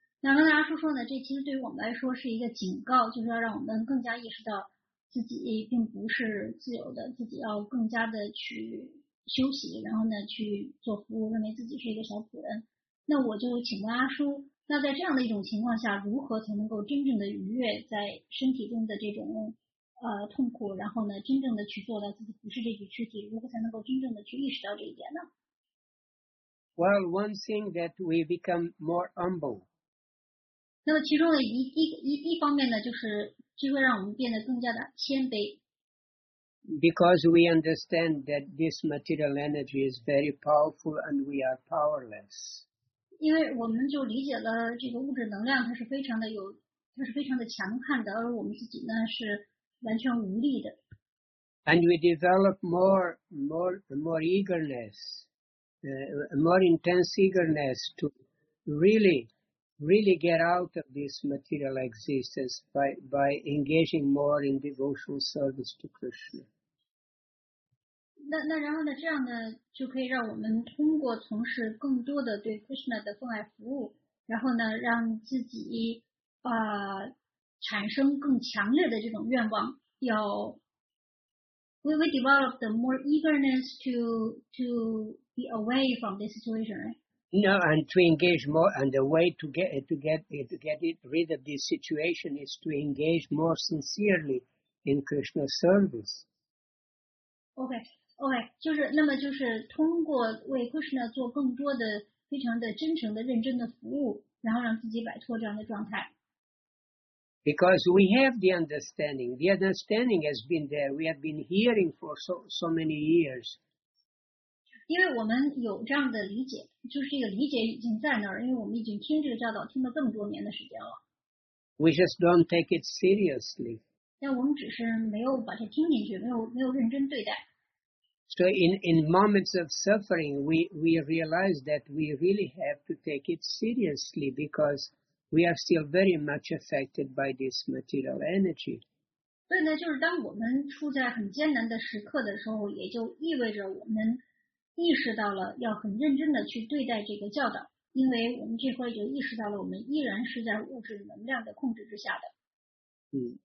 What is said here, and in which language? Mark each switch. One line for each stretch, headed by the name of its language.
Chinese: 那刚才阿叔说呢，这其实对于我们来说是一个警告，就是要让我们更加意识到自己并不是自由的，自己要更加的去休息，然后呢去做服务，认为自己是一个小仆人。那我就请问阿叔，那在这样的一种情况下，如何才能够真正的愉悦在身体中的这种痛苦，然后呢，真正的去做到自己不是这具躯体，如何才能够真正的去意识到这一点呢
English: ？Well, one thing that we become more humble.
Chinese: 那么其中的一方面呢，就是机会让我们变得更加的谦卑。
English: Because we understand that this material energy is very powerful and we are powerless.
Chinese: 因为我们就理解了这个物质能量，它是非常的强悍的，而我们自己呢是。完全无力的。
English: And we develop more eagerness, more intense eagerness to really, really get out of this material existence by engaging more in devotional service to Krishna.
Chinese: 那然后呢？这样呢，就可以让我们通过从事更多的对 Krishna 的奉爱服务，然后呢，让自己产生更强烈的这种愿望。
English: We develop the more eagerness to be away from this situation, right? No, and to engage more, and the way to get rid of this situation is to engage more sincerely in Krishna's service.
Chinese: Okay, 就是那么就是通过为 Krishna 做更多的非常的真诚的认真的服务，然后让自己摆脱这样的状态。
English: Because we have the understanding. The understanding has been there. We have been hearing for so many years.
Chinese: 因为我们有这样的理解，就是这个理解已经在那儿，因为我们已经听这个教导听了这么多年的时间了。
English: We just don't take it seriously.
Chinese: 但我们只是没有把它听进去，没有认真对待。
English: So in moments of suffering, we realize that we really have to take it seriously because... We are still very much affected by this material energy.
Chinese: 所以呢，就是当我们处在很艰难的时刻的时候，也就意味着我们意识到了要很认真的去对待这个教导，因为我们这会就意识到了我们依然是在物质能量的控制之下的。